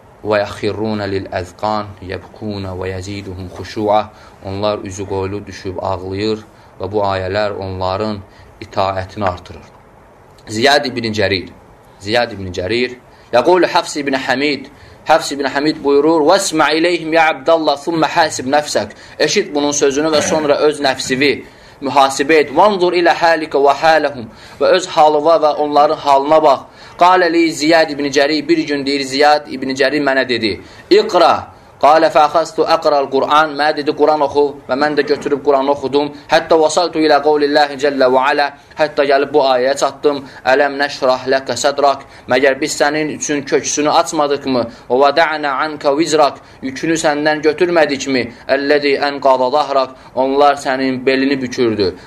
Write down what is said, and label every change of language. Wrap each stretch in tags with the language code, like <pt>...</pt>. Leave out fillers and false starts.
<ar>وَيَخِرُّونَ لِلْأَذْقَانِ يَبْكُونَ وَيَزِيدُهُمْ خُشُوعًا.</ar> <az>Onlar üzü qoylu düşüb ağlayır və bu ayələr onların itaətini artırır. Ziyad ibn Cərir. Ziyad ibn Cərir. يَقُولُ حَفْسِ ibn Həmid. Həfs ibn Həmid buyurur,</az> <ar>وَاسْمَعْ اِلَيْهِمْ يَا عَبْدَ اللَّهِ ثُمَّ حَاسِبْ نَفْسَكَ.</ar> <az>Eşit bunun sözünü və sonra öz nəfsivi mühasibə et.</az> <ar>وَانْظُرْ اِلَى حَالِكَ وَحَالَهُمْ.</ar> <az>Və öz halına və onların halına bax. Qalə li Ziyad ibn Cəri, bir gün deyir Ziyad ibn Cəri mənə dedi, İqra, qalə fəxəstu əqral Qur'an, mənə dedi Qur'an oxu və mən də götürüb Qur'an oxudum, hətta vasaltu ilə qovlilləhi cəllə və alə, hətta gəlib bu ayəyə çatdım,</az> <ar>ələm nəşrah ləqə sədrak,</ar> <az>məgər biz sənin üçün köksünü açmadık mı, o</az> <ar>və dəənə ənkə vizrak,</ar> <az>yükünü səndən götürmədik mi,</az> <ar>əllədi ən qada dahraq,</ar> <az>onlar sənin belini bükürdü.</az>